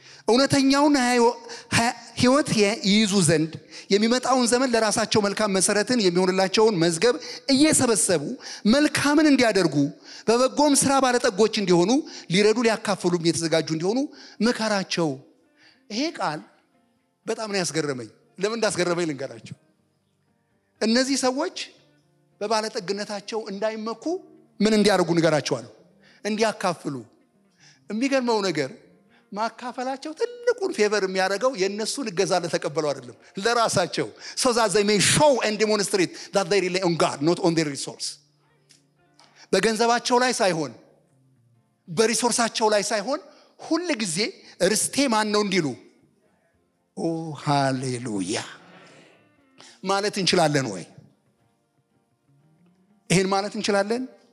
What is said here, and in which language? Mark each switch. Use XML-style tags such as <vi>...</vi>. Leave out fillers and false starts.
<am>እውነተኛውን ህይወት ይይዙ ዘንድ የሚመጣውን ዘመን ለራሳቸው መልካም መሰረትን የሚሆንላቸውን መዝገብ እየሰበሰቡ መልካምን እንዲያደርጉ በበጎም ስራ ባለጠጎች እንዲሆኑ ሊረዱ ሊያካፍሉም የተዘጋጁ እንዲሆኑ መከራቸው። ይሄ ቃል በጣም ነው ያስገረመኝ። ለምን እንዳስገረመኝ ልንገራቸው። እነዚህ ሰዎች በባለጠግነታቸው እንዳይመኩ ምን እንዲያደርጉ ንገራቸዋል? እንዲያካፍሉ። የሚገርመው ነገር ማካፈላቸው ትልቁን ፌቨር የሚያደርገው የነሱን እገዛ ለተቀበሉ አይደለም ለራሳቸው።</am> <en>So that they may show and demonstrate that they rely on God not on their resources.</en> <am>በገንዘባቸው ላይ ሳይሆን በሪሶርሳቸው ላይ ሳይሆን ሁሉ ጊዜ ርስቴ ማን ነው እንዲሉ ኦ ሃሌሉያ ማለት እንችላለን ወይ? ይሄን ማለት እንችላለን?</am>